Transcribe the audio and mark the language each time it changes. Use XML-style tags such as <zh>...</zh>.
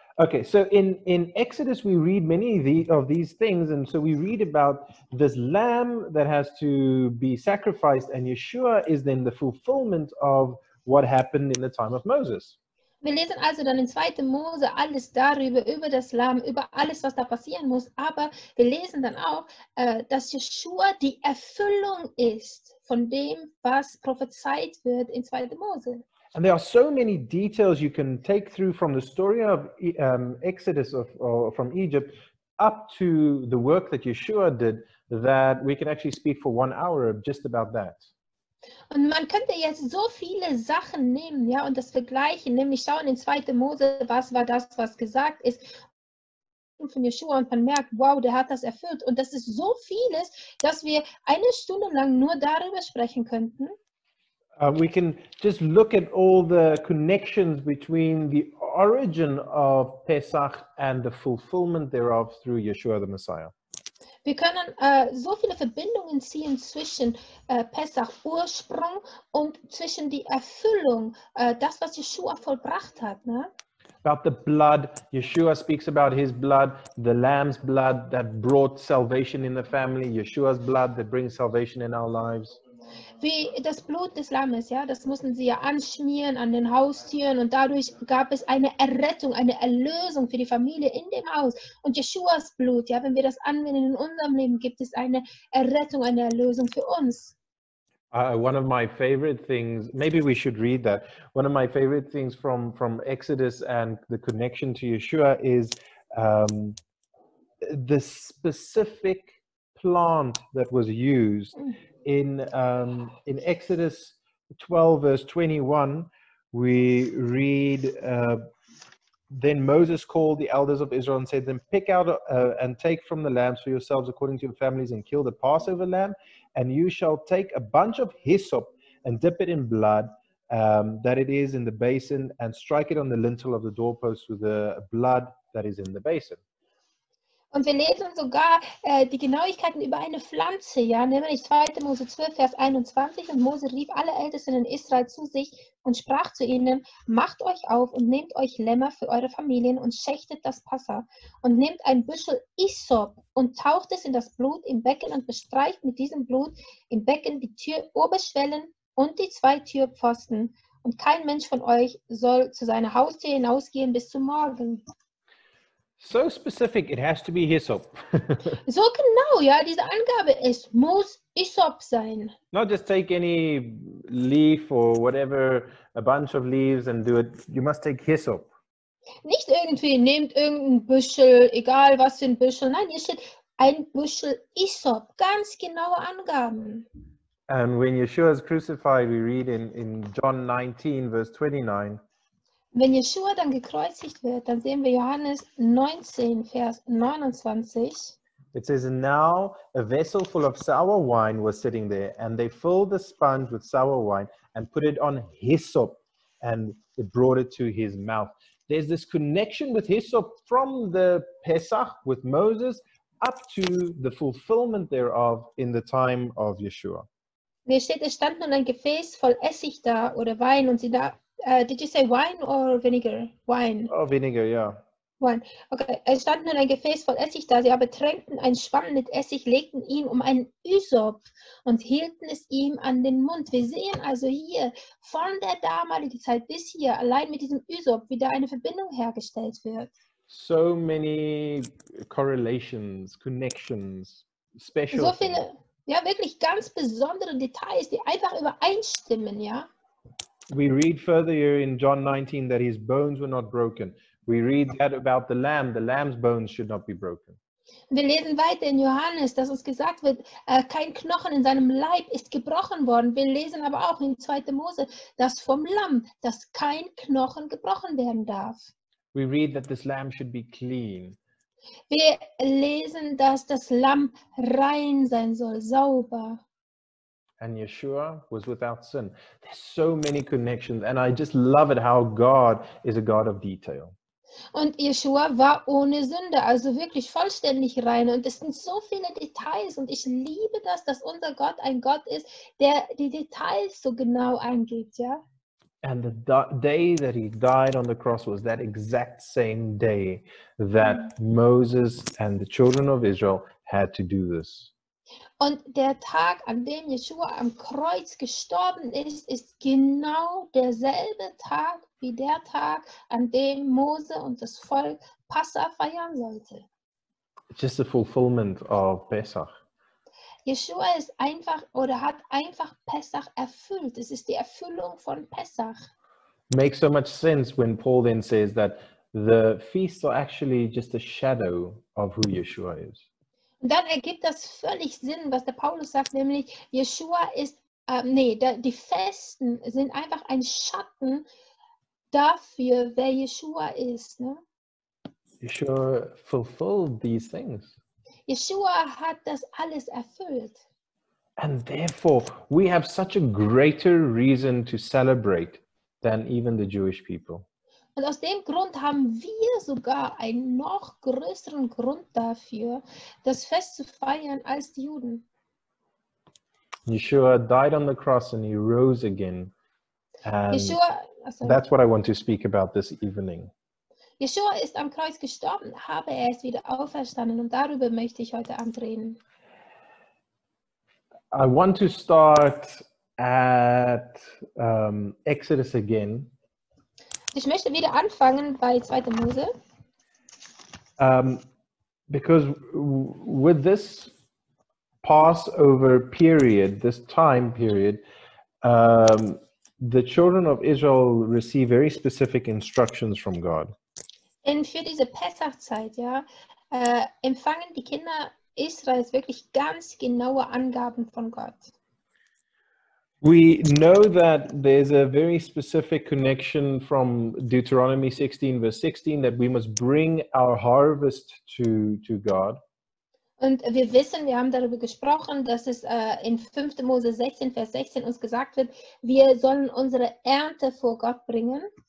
<en>Okay, so in Exodus we read many of these things, and so we read about this lamb that has to be sacrificed, and Yeshua is then the fulfillment of what happened in the time of Moses.</en> <de>Wir lesen also dann in 2. Mose alles darüber, über das Lamm, über alles, was da passieren muss, aber wir lesen dann auch, dass Yeshua die Erfüllung ist von dem, was prophezeit wird in 2. Mose.</de> <en>And there are so many details you can take through from the story of Exodus from Egypt up to the work that Yeshua did that we can actually speak for 1 hour just about that.</en> <de>Und man könnte jetzt so viele Sachen nehmen, ja, und das vergleichen, nämlich schauen in 2. Mose, was war das, was gesagt ist von Yeshua, und man merkt, wow, der hat das erfüllt. Und das ist so vieles, dass wir eine Stunde lang nur darüber sprechen könnten.</de> <en>We can just look at all the connections between the origin of Pesach and the fulfillment thereof through Yeshua the Messiah.</en> <de>Wir können so viele Verbindungen ziehen zwischen Pesach Ursprung und zwischen die Erfüllung, das was Yeshua vollbracht hat. Ne?</de> <en>About the blood, Yeshua speaks about his blood, the Lamb's blood that brought salvation in the family, Yeshua's blood that brings salvation in our lives.</en> <de>Wie das Blut des Lammes, ja, das mussten sie ja anschmieren an den Haustieren, und dadurch gab es eine Errettung, eine Erlösung für die Familie in dem Haus. Und Yeshuas Blut, ja, wenn wir das anwenden in unserem Leben, gibt es eine Errettung, eine Erlösung für uns.</de> <en>One of my favorite things, maybe we should read that. One of my favorite things from Exodus and the connection to Yeshua is the specific plant that was used. In Exodus 12, verse 21, we read, then Moses called the elders of Israel and said, then pick out and take from the lambs for yourselves according to your families and kill the Passover lamb, and you shall take a bunch of hyssop and dip it in blood that it is in the basin, and strike it on the lintel of the doorpost with the blood that is in the basin.</en> <de>Und wir lesen sogar die Genauigkeiten über eine Pflanze, ja, nämlich 2. Mose 12, Vers 21. Und Mose rief alle Ältesten in Israel zu sich und sprach zu ihnen, macht euch auf und nehmt euch Lämmer für eure Familien und schächtet das Passa. Und nehmt ein Büschel Isop und taucht es in das Blut im Becken und bestreicht mit diesem Blut im Becken die Tür Oberschwellen und die 2 Türpfosten. Und kein Mensch von euch soll zu seiner Haustür hinausgehen bis zum Morgen.</de> <en>So specific, it has to be hyssop.</en> <de>So genau, ja, diese Angabe, es muss hyssop sein.</de> <en>Not just take any leaf or whatever, a bunch of leaves and do it. You must take hyssop.</en> <de>Nicht irgendwie, nehmt irgendein Büschel, egal was für ein Büschel. Nein, hier steht ein Büschel hyssop. Ganz genaue Angaben.</de> <en>And when Yeshua is crucified, we read in John 19, verse 29,</en> <de>wenn Yeshua dann gekreuzigt wird, dann sehen wir Johannes 19, Vers 29.</de> <en>It says, now a vessel full of sour wine was sitting there, and they filled the sponge with sour wine and put it on hyssop, and it brought it to his mouth. There's this connection with hyssop from the Pesach with Moses up to the fulfillment thereof in the time of Yeshua.</en> <de>Mir steht, es stand nun ein Gefäß voll Essig da oder Wein, und sie da...</de> <en>did you say wine or vinegar? Wine. Oh, vinegar, yeah.</en> <de>Wein. Okay, es stand nun ein Gefäß voll Essig da. Sie aber tränkten einen Schwamm mit Essig, legten ihn um einen Üsop und hielten es ihm an den Mund. Wir sehen also hier von der damaligen Zeit bis hier allein mit diesem Üsop wieder eine Verbindung hergestellt wird.</de> <en>So many correlations, connections, special.</en> <de>So viele, ja, wirklich ganz besondere Details, die einfach übereinstimmen, ja.</de> <en>We read further here in John 19 that his bones were not broken. We read that about the lamb's bones should not be broken.</en> <de>Wir lesen weiter in Johannes, dass uns gesagt wird, kein Knochen in seinem Leib ist gebrochen worden. Wir lesen aber auch in 2. Mose, dass vom Lamm, dass kein Knochen gebrochen werden darf.</de> <en>We read that this lamb should be clean.</en> <de>Wir lesen, dass das Lamm rein sein soll, sauber.</de> <en>And Yeshua was without sin. There's so many connections, and I just love it how God is a God of detail.</en> <de>Und Yeshua war ohne Sünde, also wirklich vollständig rein. Und es sind so viele Details, und ich liebe das, dass unser Gott ein Gott ist, der die Details so genau angeht, ja?</de> <en>And the day that he died on the cross was that exact same day that Moses and the children of Israel had to do this.</en> <de>Und der Tag, an dem Yeshua am Kreuz gestorben ist, ist genau derselbe Tag wie der Tag, an dem Mose und das Volk Passah feiern sollte.</de> <en>It's just a fulfillment of Pesach.</en> <de>Yeshua ist einfach oder hat einfach Pesach erfüllt. Es ist die Erfüllung von Pesach.</de> <en>Makes so much sense when Paul then says that the feasts are actually just a shadow of who Yeshua is.</en> <de>Dann ergibt das völlig Sinn, was der Paulus sagt, nämlich Yeshua ist, die Festen sind einfach ein Schatten dafür, wer Yeshua ist. Ne?</de> <en>Yeshua fulfilled these things.</en> <de>Yeshua hat das alles erfüllt.</de> <en>And therefore, we have such a greater reason to celebrate than even the Jewish people.</en> <de>Und aus dem Grund haben wir sogar einen noch größeren Grund dafür, das Fest zu feiern als die Juden.</de> <en>Yeshua died on the cross and he rose again. And that's what I want to speak about this evening.</en> <de>Yeshua ist am Kreuz gestorben, aber er ist wieder auferstanden und darüber möchte ich heute Abend reden.</de> <en>I want to start at Exodus again.</en> <de>Ich möchte wieder anfangen bei 2. Mose.</de> <en>Because with this Passover period, this time period, the children of Israel receive very specific instructions from God.</en> <de>Und für diese Pessachzeit, ja, empfangen die Kinder Israels wirklich ganz genaue Angaben von Gott.</de> <en>We know that there's a very specific connection from Deuteronomy 16, verse 16, that we must bring our harvest to God.</en> <de>Und wir wissen, wir haben darüber gesprochen, dass es in 5. Mose 16, Vers 16 uns gesagt wird, wir sollen unsere Ernte vor Gott bringen.</de>